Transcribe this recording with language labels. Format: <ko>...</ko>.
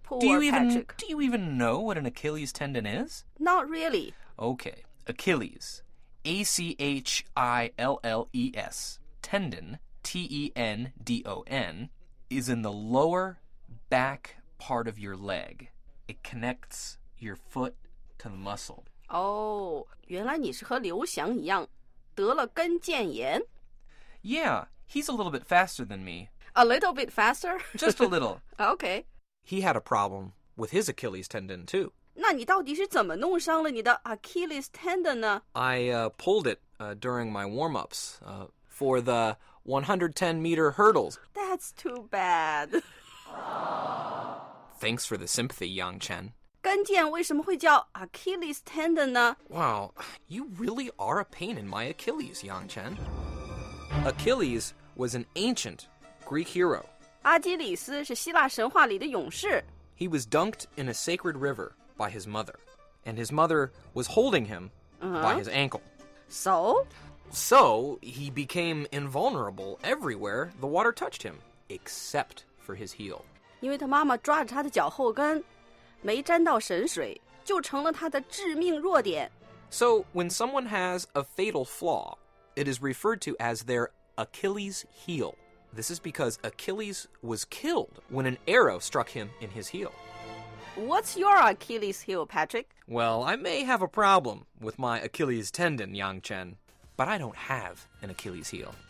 <en>Do you even know what an Achilles tendon is? Not really. Okay, Achilles. A-C-H-I-L-L-E-S. Tendon, T-E-N-D-O-N, is in the lower back part of your leg. It connects your foot to the muscle.</en> <zh>Oh, 原来你是和刘翔一样得了跟腱炎。</zh> <en>Yeah, he's a little bit faster than me. A little bit faster? Just a little. Okay. He had a problem with his Achilles tendon, too.</en> <zh>那你到底是怎么弄伤了你的 Achilles tendon 呢?</zh> <en>I pulled it during my warm-ups for the 110-meter hurdles. That's too bad. Thanks for the sympathy, Yang Chen.</en> <zh>跟腱为什么会叫 Achilles tendon 呢?</zh> <en>Wow, you really are a pain in my Achilles, Yang Chen. Achilles was an ancient Greek hero.</en> <zh>阿基里斯是希腊神话里的勇士。</zh> <en>He was dunked in a sacred river by his mother, and his mother was holding him、uh-huh. by his ankle. So? So, he became invulnerable everywhere the water touched him, except for his heel.</en> <zh>因为他妈妈抓着他的脚后跟，没沾到神水，就成了他的致命弱点。</zh> <en>So, when someone has a fatal flaw, it is referred to as their Achilles heel. This is because Achilles was killed when an arrow struck him in his heel. What's your Achilles heel, Patrick? Well, I may have a problem with my Achilles tendon, Yang Chen, but I don't have an Achilles heel.</en>